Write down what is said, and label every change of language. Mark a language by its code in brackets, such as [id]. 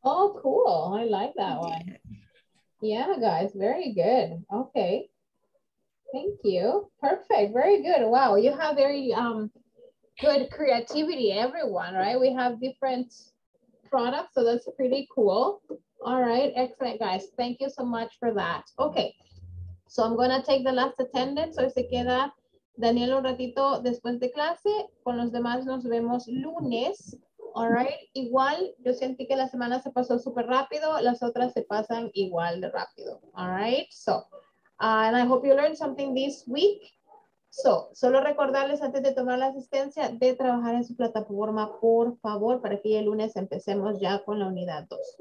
[en] Oh, cool. I like that one. Yeah, guys, very good. Okay. Thank you. Perfect. Very good. Wow. You have very good creativity, everyone, right? We have different products, so that's pretty cool. All right. Excellent, guys. Thank you so much for that. Okay. So I'm going to take the last attendance. [es] So se queda Daniel un ratito después de clase. Con los demás nos vemos lunes. [en] All right, [es] igual, yo sentí que la semana se pasó súper rápido, las otras se pasan igual de rápido. [en] All right, so, and I hope you learned something this week. [es] So, solo recordarles antes de tomar la asistencia de trabajar en su plataforma, por favor, para que el lunes empecemos ya con la unidad 2.